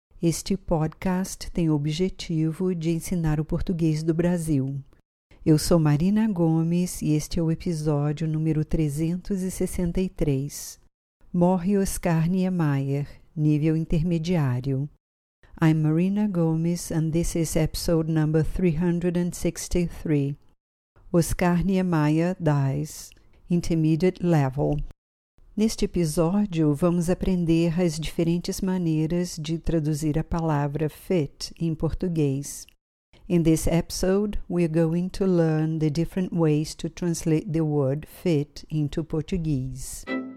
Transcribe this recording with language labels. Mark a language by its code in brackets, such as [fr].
[pt] Este podcast tem o objetivo de ensinar o português do Brasil. Eu sou Marina Gomes e este é o episódio número 363. Morre Oscar Niemeyer, nível intermediário. [en] I'm Marina Gomes and this is episode number 363. Oscar Niemeyer dies, intermediate level. [pt] Neste episódio, vamos aprender as diferentes maneiras de traduzir a palavra fit em português. [en] In this episode, we're going to learn the different ways to translate the word fit into Portuguese.